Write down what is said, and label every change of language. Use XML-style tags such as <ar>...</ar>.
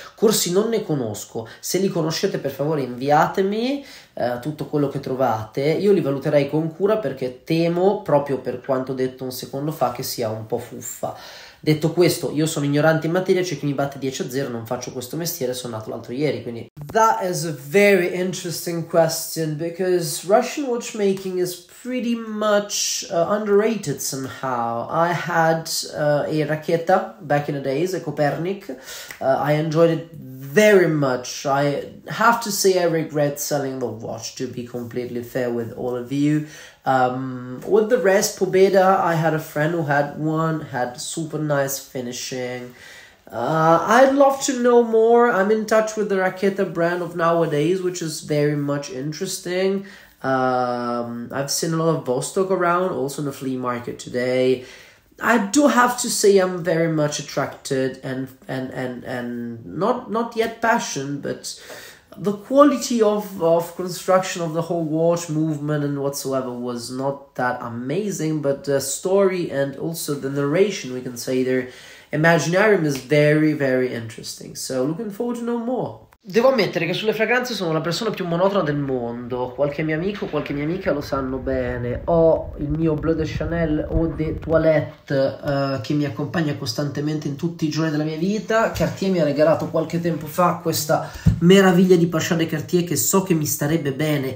<it>Corsi non ne conosco, se li conoscete per favore inviatemi tutto quello che trovate, io li valuterei con cura perché temo, proprio per quanto detto un secondo fa, che sia un po' fuffa. Detto questo, io sono ignorante in materia, c'è cioè chi mi batte 10 a 0, non faccio questo mestiere, sono nato l'altro ieri, quindi.</it> <en>That is a very interesting question because Russian watchmaking is pretty much underrated somehow. I had a Raketa back in the days, a Copernic. I enjoyed it very much. I have to say I regret selling the watch, to be completely fair with all of you. With the rest, Pobeda, I had a friend who had one, had super nice finishing. I'd love to know more. I'm in touch with the Raketa brand of nowadays, which is very much interesting. I've seen a lot of Vostok around, also in the flea market today. I do have to say I'm very much attracted and not yet passion, but the quality of construction of the whole watch movement and whatsoever was not that amazing, but the story and also the narration we can say there, Imaginarium is very, very interesting. So looking forward to know more.</en> <it>Devo ammettere che sulle fragranze sono la persona più monotona del mondo. Qualche mio amico, qualche mia amica lo sanno bene. Ho il mio Bleu de Chanel Eau de Toilette che mi accompagna costantemente in tutti i giorni della mia vita. Cartier mi ha regalato qualche tempo fa questa meraviglia di Patchard de Cartier che so che mi starebbe bene.</it>